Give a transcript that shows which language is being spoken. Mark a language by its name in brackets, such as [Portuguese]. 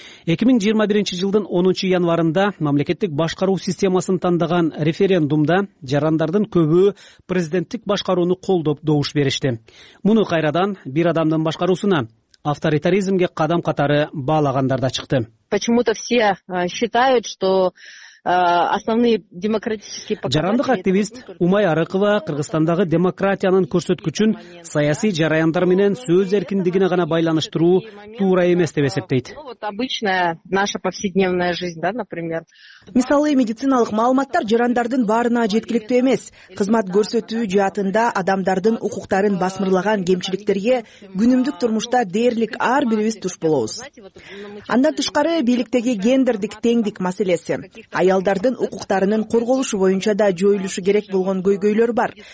[Kyrgyz] 2021 жылдын 10 январында мамлекеттик башкаруу системасын тандаган референдумда жарандардын көбү президенттик башкарууну колдоп добуш беришти. Муну кайрадан бир адамдын башкаруусуна, авторитаризмге кадам катары баалагандар да чыкты. [Russian] Почему-то все считают, что основные демократические показатели. [Kyrgyz] Жарандык активист Умай Арыкова Кыргызстандагы демократиянын көрсөткүчүн саясий жараяндар менен сөз эркиндигине гана байланыштыруу туура эмес деп эсептейт. [Russian] Вот обычная наша повседневная жизнь, да, например. [Kyrgyz] Мисалы, медициналык маалыматтар жарандардын баарына жеткиликтүү эмес. Кызмат көрсөтүү жаатында адамдардын укуктарын басмырлаган кемчиликтерге күнүмдүк турмушта дээрлик ар бирибиз туш болобуз. Андан тышкары бийликтеги гендердик теңдик маселеси. Аялдардын укуктарынын корголушу боюнча да жоюлушу керек болгон көйгөйлөр бар.